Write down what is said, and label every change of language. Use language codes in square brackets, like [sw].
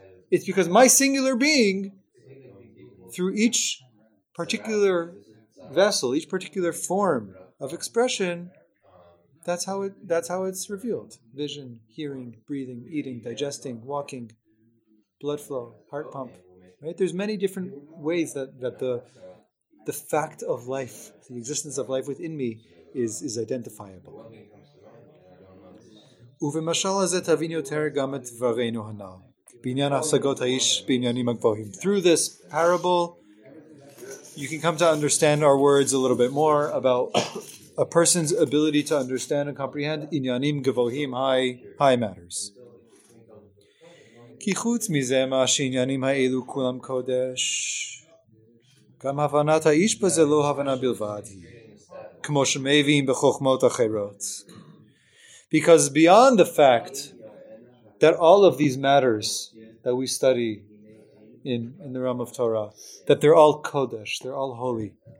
[en] It's because my singular being, through each particular vessel, each particular form of expression, That's how it's revealed. Vision, hearing, breathing, eating, digesting, walking, blood flow, heart pump. Right? There's many different ways that the fact of life, the existence of life within me is identifiable. [he] ובמשל הזה תבין יותר גם את דברינו הנ"ל. בעניין השגות האיש בעניינים הגבוהים. [en] Through this parable, you can come to understand our words a little bit more about a person's ability to understand and comprehend [he] עניינים גבוהים, [en] high matters. [he] כי חוץ מזה מה שעניינים האלו כולם קודש, גם הבנת האיש בזה לא הבנה בלבד, כמו שמביאים בחוכמות אחרות. [en] Because beyond the fact that all of these matters that we study in the realm of Torah, that they're all kodesh, they're all holy.